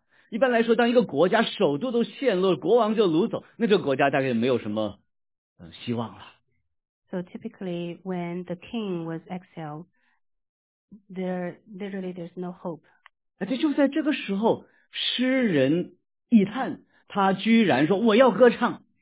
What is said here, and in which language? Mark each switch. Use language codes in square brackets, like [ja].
[zh] 一般来说，当一个国家首都都陷落，国王就掳走，那这个国家大概没有什么希望了。 [en] So typically, when the king was exiled, there literally there's no hope. [zh] 而且就在这个时候，诗人以探他居然说：“我要歌唱。